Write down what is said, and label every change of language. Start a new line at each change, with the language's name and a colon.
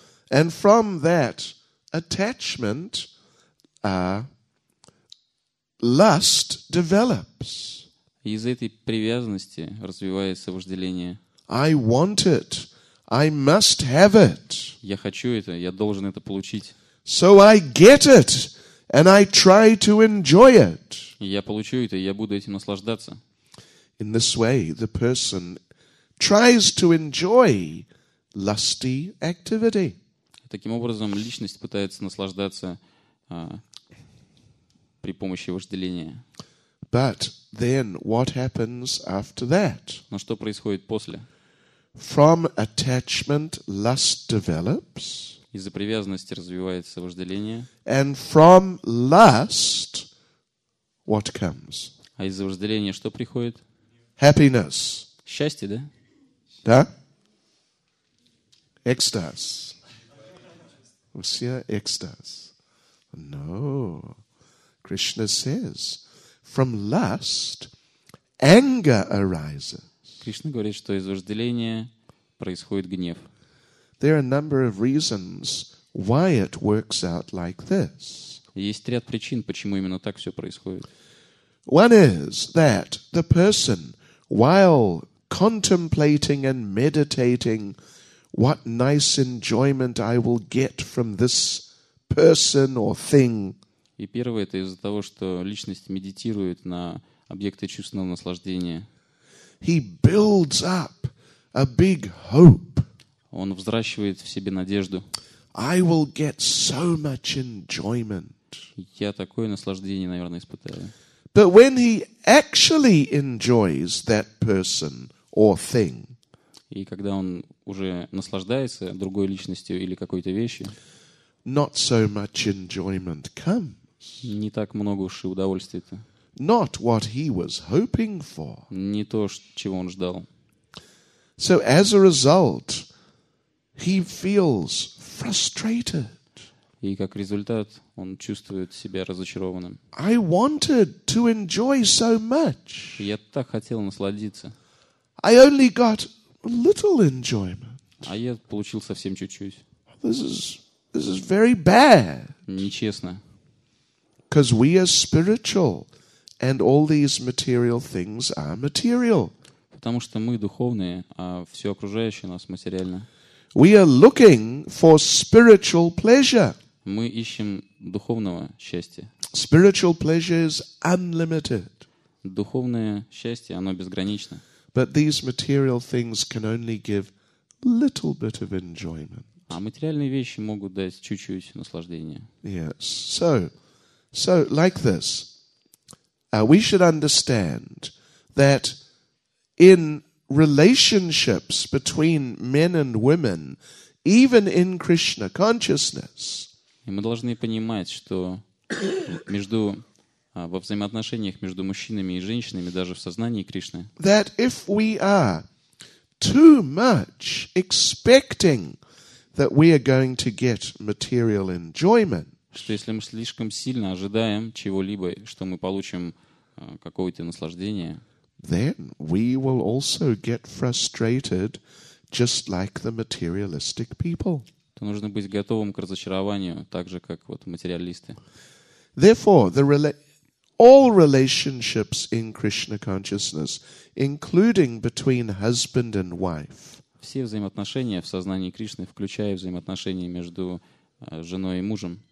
English: And from that attachment, lust develops.
Russian: Из этой привязанности развивается вожделение.
English: I want it. I must have it.
Russian: Я хочу это, я должен это получить.
English: So I get it, and I try to enjoy it.
Russian: Я получу это, я буду этим наслаждаться.
English: In this way, the person tries to enjoy lusty activity.
Russian: Таким образом, личность пытается наслаждаться при помощи вожделения.
English: But then, what happens after that?
Russian: Но что происходит после?
English: From attachment, lust develops.
Russian: Из-за привязанности развивается вожделение.
English: And from lust, what comes?
Russian: А из-за вожделения что приходит?
English: Happiness.
Russian: Счастье, да? Да. Экстаз. Все экстаз.
English: No. Krishna says, from lust, anger arises.
Russian: Кришна говорит, что из вожделения происходит гнев.
English: There are a number of reasons why it works out like this.
Russian: Есть ряд причин, почему именно так все происходит.
English: One is that the person, while contemplating and meditating, what nice enjoyment I will get from this person or thing.
Russian: И первое, это из-за того, что личность медитирует на объекты чувственного наслаждения.
English: He builds up a big hope.
Russian: Он взращивает в себе надежду.
English: I will get so much enjoyment.
Russian: Я такое наслаждение, наверное, испытаю.
English: But when he actually enjoys that person or thing.
Russian: И когда он уже наслаждается другой личностью или какой-то вещью.
English: Not so much enjoyment comes.
Russian: Не так много уж и удовольствия-то.
English: Not what he was hoping for.
Russian: Не то, чего он ждал.
English: So as a result, he feels frustrated.
Russian: И как результат, он чувствует себя разочарованным.
English: I wanted to enjoy so much.
Russian: Я так хотел насладиться.
English: I only got little enjoyment.
Russian: А я получил совсем чуть-чуть.
English: This is very bad.
Russian: Нечестно.
English: Because we are spiritual. And all these material things are material.
Russian: Потому что мы духовные, а все окружающее нас материально.
English: We are looking for spiritual pleasure.
Russian: Мы ищем духовного счастья.
English: Spiritual pleasure is unlimited.
Russian: Духовное счастье, оно безгранично.
English: But these material things can only give little bit of enjoyment.
Russian: А материальные вещи могут дать чуть-чуть наслаждения.
English: Yes. So like this. We should understand that in relationships between men and women, even in Krishna consciousness.
Russian: И мы должны понимать, что между во взаимоотношениях между мужчинами и женщинами, даже в сознании Кришны.
English: That if we are too much expecting that we are going to get material enjoyment.
Russian: Что если мы слишком сильно ожидаем чего-либо, что мы получим какое-то наслаждение,
English: then we will also get frustrated just like the materialistic people.
Russian: То нужно быть готовым к разочарованию, так же как вот материалисты.
English: Therefore, all relationships in Krishna consciousness, including between husband and wife.
Russian: Все взаимоотношения в сознании Кришны, включая взаимоотношения между женой и мужем.